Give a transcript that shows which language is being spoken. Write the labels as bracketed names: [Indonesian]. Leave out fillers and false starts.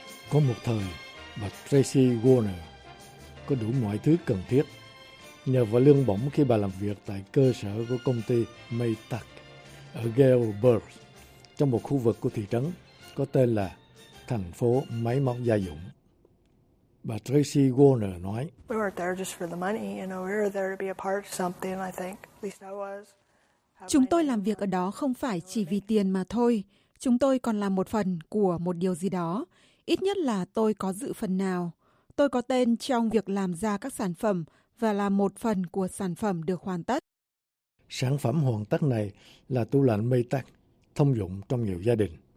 [Vietnamese] Có một thời, bà Tracy Warner có đủ mọi thứ cần thiết nhờ vào lương bổng khi bà làm việc tại cơ sở của công ty Maytag ở Galesburg trong một khu vực của thị trấn có tên là thành phố máy móc gia dụng. Bà Tracy Warner nói: [English] "We weren't there just for the money, you know. We were there to be a part of something. I think, at least I was." [Vietnamese] Chúng tôi làm việc ở đó không phải chỉ vì tiền mà thôi. Chúng tôi còn là một phần của một điều gì đó. Ít nhất là tôi có dự phần nào. Tôi có tên trong việc làm ra các sản phẩm và là một phần của sản phẩm được hoàn tất. Sản phẩm hoàn tất này là tủ lạnh Maytag, thông dụng trong nhiều gia đình.